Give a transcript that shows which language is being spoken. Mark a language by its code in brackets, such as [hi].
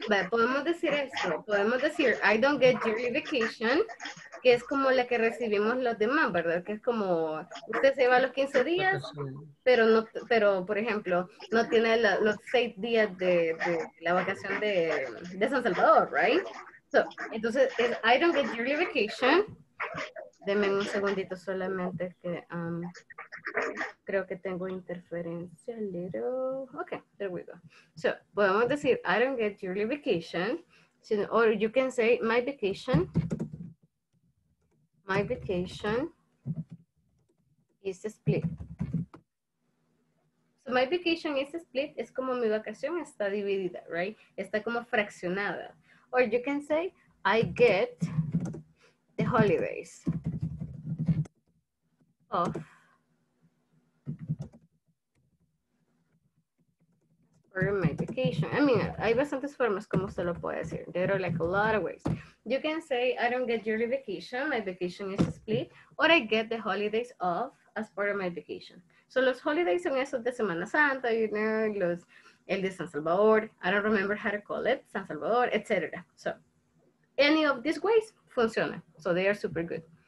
[es] Bueno, podemos decir esto, podemos decir, [en] I don't get yearly vacation, [es] que es como la que recibimos los demás, ¿verdad? Que es como, usted se va los 15 días, pero, no, pero por ejemplo, no tiene los 6 días de la vacación de San Salvador, right? [en] So, [es] entonces, es, [en] I don't get yearly vacation. [es] Deme un segundito solamente que creo que tengo interferencia [en] a little. Ok, there we go. So, [es] podemos decir, [en] I don't get yearly vacation. Or you can say, my vacation. My vacation is split. So my vacation is split. [es] Es como mi vacación está dividida, [en] right? [es] Está como fraccionada. [en] Or you can say, I get the holidays off for my vacation. [es] I mean, hay bastantes formas como se lo puede decir. [en] There are like a lot of ways. You can say, I don't get yearly vacation, my vacation is split, or I get the holidays off as part of my vacation. So [es] los holidays son esos de Semana Santa, [en] you know, los, el de San Salvador, I don't remember how to call it, San Salvador, etc. So any of these ways [es] funciona. [en] So they are super good.